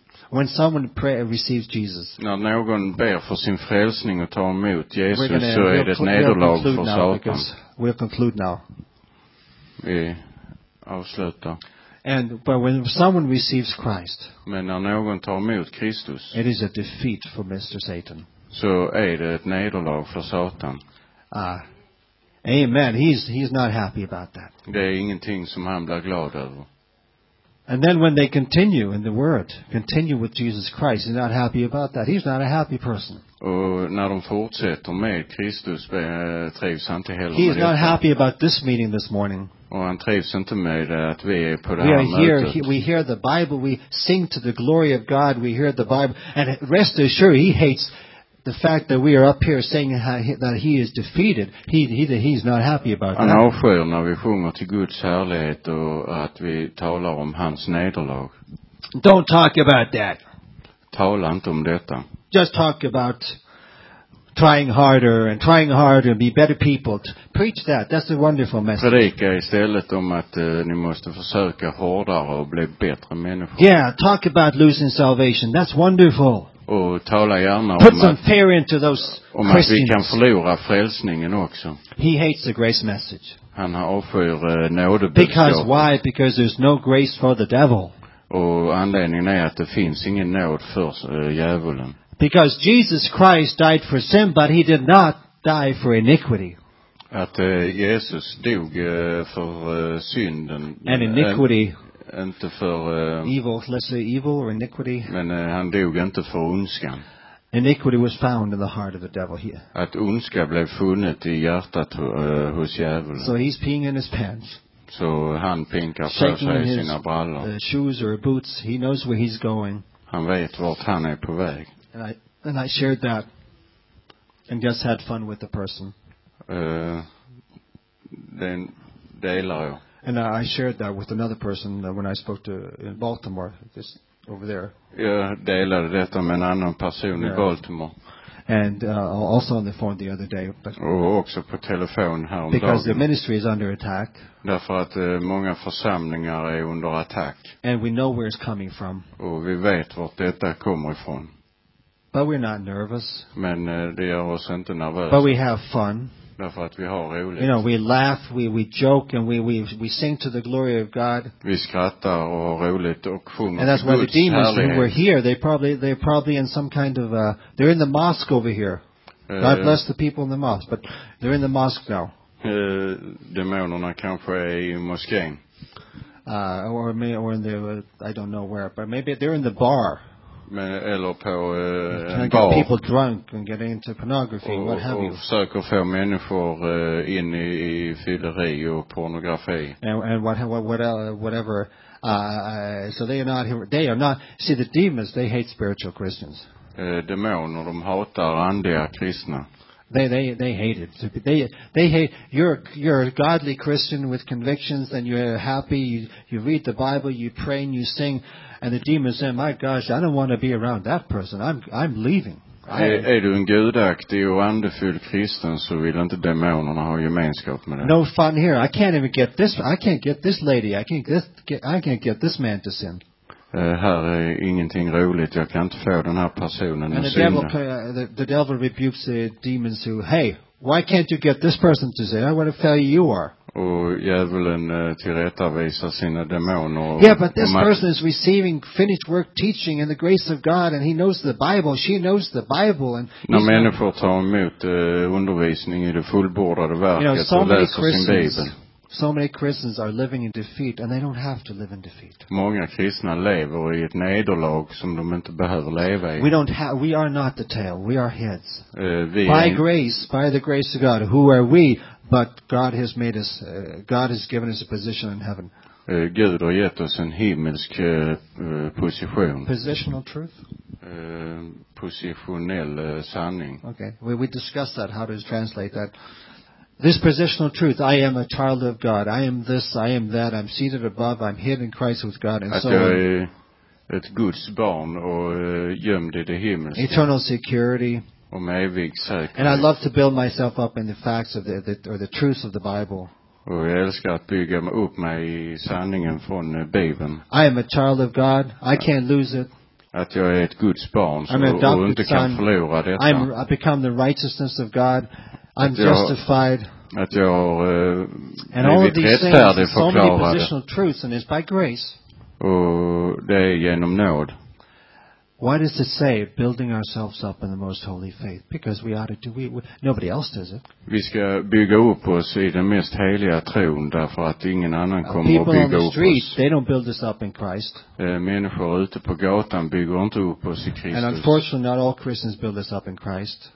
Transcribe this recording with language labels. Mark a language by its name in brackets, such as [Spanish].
[English] When someone receives Jesus. [Swedish] När någon ber för sin frälsning och tar emot Jesus så är det ett nederlag för Satan. [English] We'll conclude now. [Swedish] Vi avslutar. [English] But when someone receives Christ. [Swedish] Men när någon tar emot Kristus. [English] It is a defeat for Mr. Satan. [Swedish] Så är det ett nederlag för Satan. [English] Amen. He's not happy about that. [Swedish] Det är ingenting som han blir glad över. [English] And then when they continue in the word, continue with Jesus Christ, he's not happy about that. He's not a happy person. [Swedish] Och när de fortsätter med Kristus, trivs han inte heller. [English] He is not happy about this meeting this morning. [Swedish] Och han trivs inte med att vi är på det här mötet. [English] We hear the Bible, we sing to the glory of God, we hear the Bible, and rest assured, he hates the fact that we are up here saying that he is defeated, he's not happy about that. [Swedish] Han avskyr när vi sjunger till Guds härlighet och att vi talar om hans nederlag. [English] Don't talk about that. [Swedish] Tala inte om detta. [English] Just talk about trying harder and be better people. Preach that. That's a wonderful message. [Swedish] Predika istället om att ni måste försöka hårdare och bli bättre människor. [English] Yeah, talk about losing salvation. That's wonderful. [Swedish] Och tala gärna [English] put [Swedish] om [English] some [Swedish] att, [English] fear into those [Swedish] om [English] Christians. [Swedish] Att vi kan förlora frälsningen också. [English] He hates the grace message. [Swedish] Han har avskyr nådebudskapet. [English] Because why? Because there's no grace for the devil. [Swedish] Och anledningen är att det finns ingen nåd för djävulen. [English] Because Jesus Christ died for sin, but he did not die for iniquity. [Swedish] Att Jesus dog för synden. [English] And iniquity. [Swedish] Inte för [English] evil, let's say evil or iniquity. [Swedish] Men han dog inte för ondskan. [English] Iniquity was found in the heart of the devil here. [Swedish] Att ondska blev funnet i hjärtat hos djävulen. [English] So he's peeing in his pants. [Swedish] Så han pinkar på sig i sina brallor. [English] Shoes or boots, he knows where he's going. [Swedish] Han vet vart han är på väg. [English] And I shared that and just had fun with the person. Then [Swedish] delar jag. [English] And I shared that with another person when I spoke to in Baltimore, just over there. [Swedish] Jag delade detta med en annan person i Baltimore. [English] And also on the phone the other day. But [Swedish] och också på telefon häromdagen. [English] Because the ministry is under attack. [Swedish] Därför att många församlingar är under attack. [English] And we know where it's coming from. [Swedish] Och vi vet vart detta kommer ifrån. [English] But we're not nervous. [Swedish] Men det gör oss inte nervösa. [English] But we have fun. [Swedish] Därför att vi har roligt. [English] You know, we laugh, we joke, and we sing to the glory of God. [Swedish] Vi skrattar och har roligt och sjunger. [English] And that's why the demons who were here, they're probably in some kind of they're in the mosque over here. God bless the people in the mosque, but they're in the mosque now. [Swedish] Demonerna kanske är i moskén. [English] Or in the I don't know where, but maybe they're in the bar. [Swedish] Eller på en bar. [English] Get people drunk and get into pornography, [Swedish] och, [English] what have [Swedish] och [English] you. [Swedish] Och försöker få människor in i fylleri och pornografi. [English] And whatever. So they are not. See, the demons, they hate spiritual Christians. [Swedish] demoner, de hatar andliga kristna. [English] They hate it. They hate you're a godly Christian with convictions and you're happy. You read the Bible, you pray and you sing, and the demons say, "My gosh, I don't want to be around that person. I'm leaving." [Swedish] Är du en gudaktig och andefull kristen så vill inte demonerna ha gemenskap med dig. [English] No fun here. I can't even get this. I can't get this lady. I can't get this man to sin. [Swedish] Här är ingenting roligt. Jag kan inte få den här personen [English] and [Swedish] att [English] the devil, the devil rebukes the demons who, hey, why can't you get this person to sin? I want to tell you are. [Swedish] Och djävulen tillrättavisar sina demoner. [English] Yeah, but this person is receiving finished work teaching and the grace of God and he knows the Bible. She knows the Bible. And [Swedish] när människor tar emot undervisning i det fullbordade verket, [English] you know, so [Swedish] och läser sin Bibel. [English] So many Christians are living in defeat and they don't have to live in defeat. [Swedish] Många kristna lever i ett nederlag som de inte behöver leva i. [English] We are not the tail, we are heads. By the grace of God, who are we? But God has made us, God has given us a position in heaven. [Swedish] Gud har gett oss en himmelsk position. [English] Positional truth? [Swedish] Positionell sanning. [English] Okay, we discussed that, how to translate that. This positional truth, I am a child of God, I am this, I am that, I'm seated above, I'm hid in Christ with God, and [Swedish] att [English] so on. [Swedish] Att jag är ett Guds barn och gömd i det himmelska. [English] Eternal security. [Swedish] Och med evig säkerhet. [English] And I love to build myself up in the facts of the truths of the Bible. [Swedish] Och jag älskar att bygga upp mig i sanningen från Bibeln. [English] I am a child of God, I can't lose it. [Swedish] Att jag är ett Guds barn och inte kan förlora detta. [English] I become the righteousness of God. I'm justified. [Swedish] Att jag [English] and all of these things, so many positional truths, and it's by grace. [Swedish] Och det är genom nåd. [English] Why does it say building ourselves up in the most holy faith? Because we ought to do it. Nobody else does it. [Swedish] Vi ska bygga upp oss i den mest heliga tron därför att ingen annan kommer att bygga upp oss. [English] People on the street, they don't build us up in Christ. [Swedish] Människor ute på gatan bygger inte upp oss i Kristus. [English] And unfortunately, not all Christians build us up in Christ.